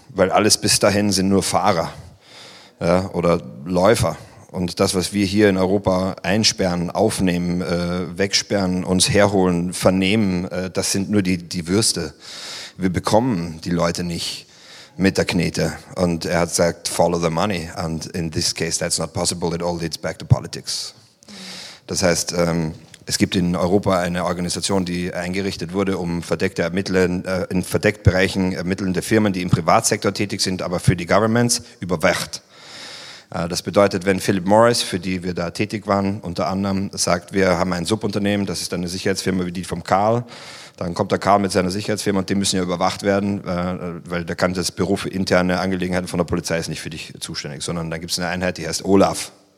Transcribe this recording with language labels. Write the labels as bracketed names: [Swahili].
[German] Weil alles bis dahin sind nur Fahrer, ja, oder Läufer. Und das, was wir hier in Europa einsperren, aufnehmen, wegsperren, uns herholen, vernehmen, das sind nur die Würste. Wir bekommen die Leute nicht. mit der Knete. Und er hat gesagt, [English] follow the money. And in this case, that's not possible. It all leads back to politics. [German] Das heißt, es gibt in Europa eine Organisation, die eingerichtet wurde, um verdeckte Ermittler, in verdeckten Bereichen ermittelnde Firmen, die im Privatsektor tätig sind, aber für die Governments überwacht. Das bedeutet, wenn Philip Morris, für die wir da tätig waren, unter anderem sagt, wir haben ein Subunternehmen, das ist eine Sicherheitsfirma wie die vom Karl, dann kommt der Karl mit seiner Sicherheitsfirma und die müssen ja überwacht werden, weil der kann das Büro für interne Angelegenheiten von der Polizei ist nicht für dich zuständig, sondern da gibt es eine Einheit, die heißt Olaf.